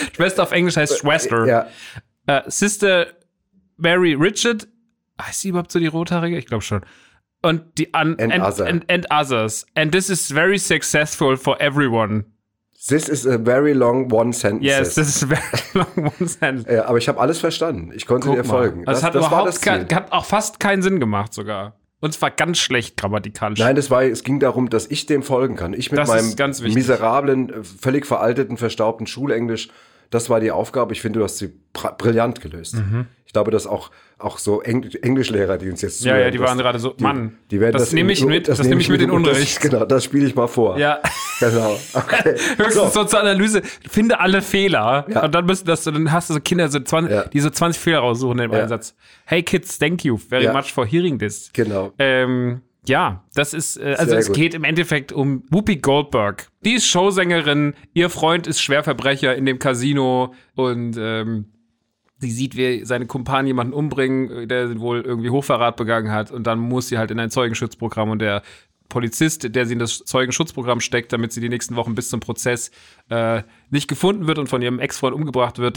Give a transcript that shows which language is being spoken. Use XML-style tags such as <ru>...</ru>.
<de>Schwester auf Englisch heißt Schwester. Ja. Sister Mary Richard. Heißt sie überhaupt so die Rothaarige? Ich glaube schon. Und die</de> <en>and others. And this is very successful for everyone. This is a very long one sentence. Yes, this is a very long one sentence.</en> <de>Ja, aber ich habe alles verstanden. Ich konnte dir folgen. Das hat überhaupt hat auch fast keinen Sinn gemacht sogar. Und es war ganz schlecht grammatikalisch. Nein, es ging darum, dass ich dem folgen kann. Ich mit das meinem miserablen, völlig veralteten, verstaubten Schulenglisch. Das war die Aufgabe. Ich finde, du hast sie brillant gelöst. Mhm. Ich glaube, dass auch so Englischlehrer, die uns jetzt zuhören. Ja, die waren gerade so, Mann, das nehme ich mit, das nehme ich mit in Unterricht. Genau, das spiele ich mal vor. Ja. Genau. Okay. Höchstens so zur Analyse, finde alle Fehler. Ja. Und dann hast du so Kinder, so 20, ja. die so 20 Fehler raussuchen im Einsatz.</de> <en>Hey kids, thank you very much for hearing this.</en> <de>Genau. Ja, das ist, also es geht im Endeffekt um Whoopi Goldberg. Die ist Showsängerin, ihr Freund ist Schwerverbrecher in dem Casino und sie sieht, wie seine Kumpanen jemanden umbringen, der wohl irgendwie Hochverrat begangen hat und dann muss sie halt in ein Zeugenschutzprogramm und der Polizist, der sie in das Zeugenschutzprogramm steckt, damit sie die nächsten Wochen bis zum Prozess nicht gefunden wird und von ihrem Ex-Freund umgebracht wird.</de>